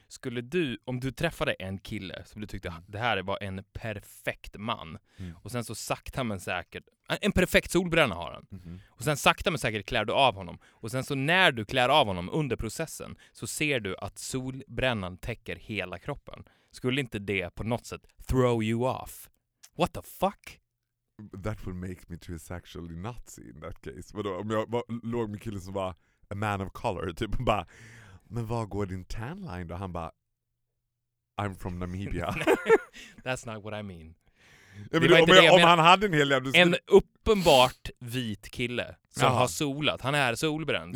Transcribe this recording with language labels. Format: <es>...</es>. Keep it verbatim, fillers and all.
<sv>Skulle du, om du träffade en kille som du tyckte det här var en perfekt man mm. och sen så sakta men säkert, en perfekt solbränna har han mm. och sen sakta men säkert klär du av honom och sen så när du klär av honom under processen så ser du att solbrännan täcker hela kroppen, skulle inte det på något sätt</sv> <en>throw you off? What the fuck? That would make me to a sexually Nazi in that case.</en> <sv>Vadå, om jag var, låg med killen som var</sv> <en>a man of color</en> <sv>typ och bara, men var går din tanline då? Han bara,</sv> <en>I'm from Namibia. That's not what I mean.</en> <sv>Ja, men om jag, jag om han hade en hel jävla... En uppenbart vit kille som Jaha. har solat. Han är solbränd.</sv>